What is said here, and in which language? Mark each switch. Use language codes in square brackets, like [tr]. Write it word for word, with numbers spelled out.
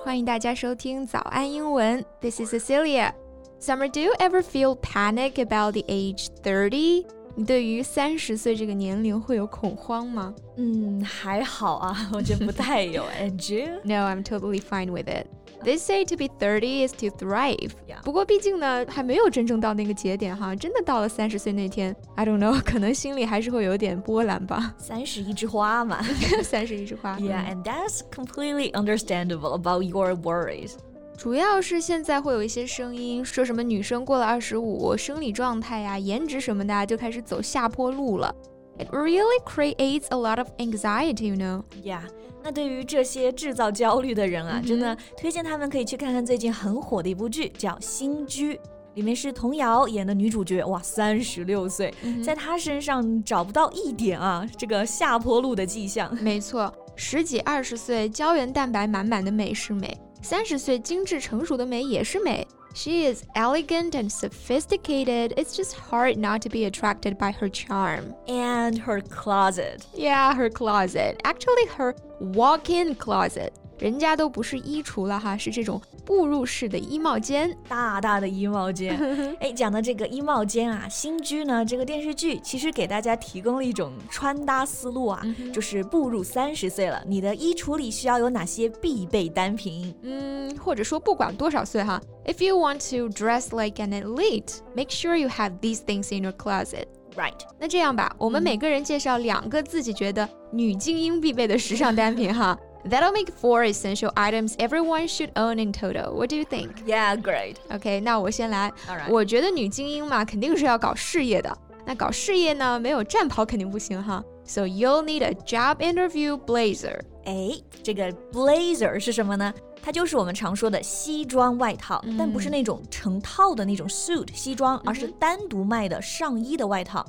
[zh] 欢迎大家收听早安英文。 [en] This is Cecilia. Summer, do you ever feel panic about the age thirty? [zh] 你对于三十岁这个年龄会有恐慌吗？嗯，还好啊，我觉得不太有。 [en] And you? No, I'm totally fine with it. They say to be thirty is to thrive. Yeah. [zh] 不过毕竟呢，还没有真正到那个节点哈，真的到了三十岁那天 [en] I don't know, [zh] 可能心里还是会有点波澜吧。三十一枝花嘛。三十一枝花。 [en] Yeah, and that's completely understandable about your worries. [zh] 主要是现在会有一些声音说什么女生过了二十五，生理状态呀、颜值什么的就开始走下坡路了。 [en] It really creates a lot of anxiety, you know? Yeah. [zh] 那对于这些制造焦虑的人啊， mm-hmm. 真的推荐他们可以去看看最近很火的一部剧，叫《新居》。里面是童瑶演的女主角，哇，三十六岁， mm-hmm. 在她身上找不到一点啊这个下坡路的迹象。没错，十几二十岁胶原蛋白满满的美是美，三十岁精致成熟的美也是美。 [en] She is elegant and sophisticated. It's just hard not to be attracted by her charm. And her closet. Yeah, her closet. Actually, her walk-in closet. [zh] 人家都不是衣橱了哈，是这种步入式的衣帽间，大大的衣帽间。哎，讲到这个衣帽间啊，新居呢这个电视剧其实给大家提供了一种穿搭思路啊，嗯、就是步入三十岁了，你的衣橱里需要有哪些必备单品？嗯，或者说不管多少岁哈 [en] ，If you want to dress like an elite, make sure you have these things in your closet. Right. [zh] 那这样吧，我们每个人介绍两个自己觉得女精英必备的时尚单品哈。 [en] That'll make four essential items everyone should own in total. What do you think? Yeah, great. [zh] Okay, 那我先来。 [en] All right. [zh] 我觉得女精英嘛，肯定是要搞事业的。那搞事业呢，没有战袍肯定不行哈。 [en] So you'll need a job interview blazer. [zh] 哎，这个 blazer 是什么呢？它就是我们常说的西装外套、嗯、但不是那种成套的那种 suit 西装、嗯、而是单独卖的上衣的外套。